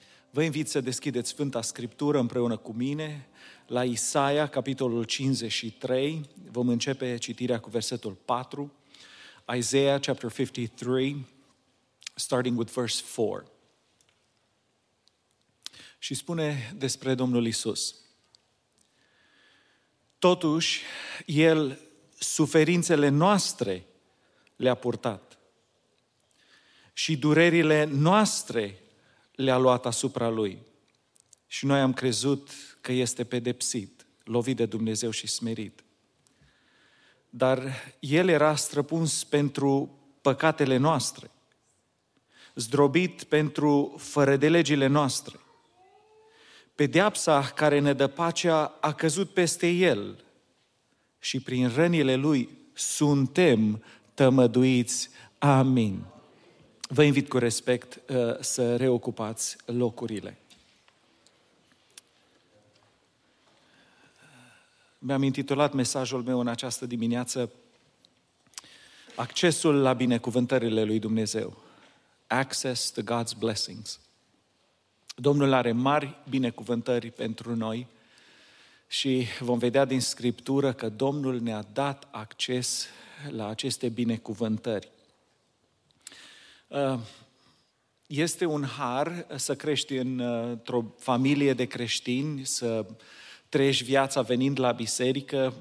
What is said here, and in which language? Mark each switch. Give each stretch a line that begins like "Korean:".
Romanian: Vă invit să deschideți Sfânta Scriptură împreună cu mine la Isaia, capitolul 53. Vom începe citirea cu versetul 4.
English: Isaiah, chapter 53, starting with verse 4.
Romanian: Și spune despre Domnul Iisus. Totuși, El suferințele noastre le-a purtat și durerile noastre le-a luat asupra Lui. Și noi am crezut că este pedepsit, lovit de Dumnezeu și smerit. Dar El era străpuns pentru păcatele noastre, zdrobit pentru fărădelegile noastre. Pedeapsa care ne dă pacea a căzut peste El și prin rănile Lui suntem tămăduiți. Amin. Vă invit cu respect să reocupați locurile. Mi-am intitulat mesajul meu în această dimineață Accesul la binecuvântările lui Dumnezeu.
English: Access to God's blessings.
Romanian: Domnul are mari binecuvântări pentru noi și vom vedea din Scriptură că Domnul ne-a dat acces la aceste binecuvântări. Este un har să crești într-o familie de creștini, să trăiești viața venind la biserică.